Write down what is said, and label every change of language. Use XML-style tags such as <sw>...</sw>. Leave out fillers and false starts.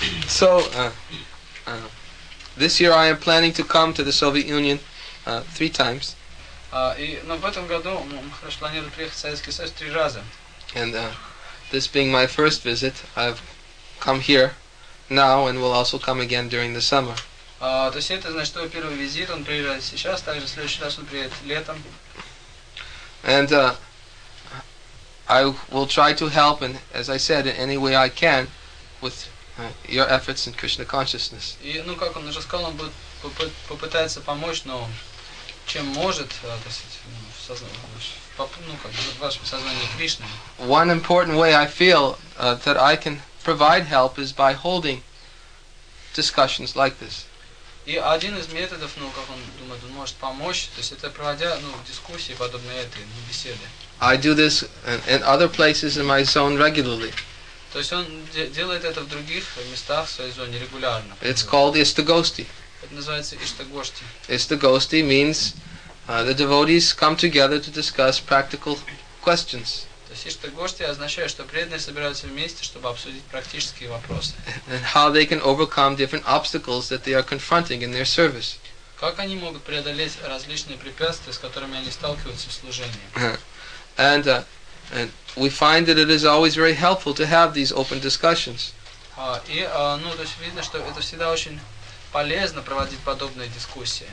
<en>So, this year I am planning to come to the Soviet Union three times. And this being my first visit, I've come here now and will also come again during the summer.</en> <ru>То есть это значит, что первый визит, он приезжает сейчас, также в следующий раз он приедет летом.</ru> <en>And I will try to help, and as I said, in any way I can, with your efforts in Krishna consciousness.</en> <ru>И, ну, как он уже сказал, он будет попытаться помочь, но чем может, то есть, ну, в сознании, ну, как бы, в вашем сознании Кришны.</ru> <en>One important way I feel that I can provide help is by holding discussions like this.</en> <ru>И один из методов, ну, как он думает, он может помочь, то есть это проводя, ну, дискуссии подобные этой, ну, беседы.</ru> <en>I do this in other places in my zone regularly.</en> <ru>То есть он делает это в других местах в своей зоне регулярно.</ru> <en>It's called Ishtagosti.</en> <ru>Это называется Ishtagosti.</ru> <en>Ishtagosti means the devotees come together to discuss practical questions.</en> <ru>То есть Ishtagosti означает, что преданные собираются вместе, чтобы обсудить практические вопросы.</ru> <en>And how they can overcome different obstacles that they are confronting in their service.</en> <ru>Как они могут преодолеть различные препятствия, с которыми они сталкиваются в служении?</ru> <en>And we find that it is always very helpful to have these open discussions.</en> <ru>Ну, то есть видно, что это всегда очень полезно проводить подобные дискуссии.</ru>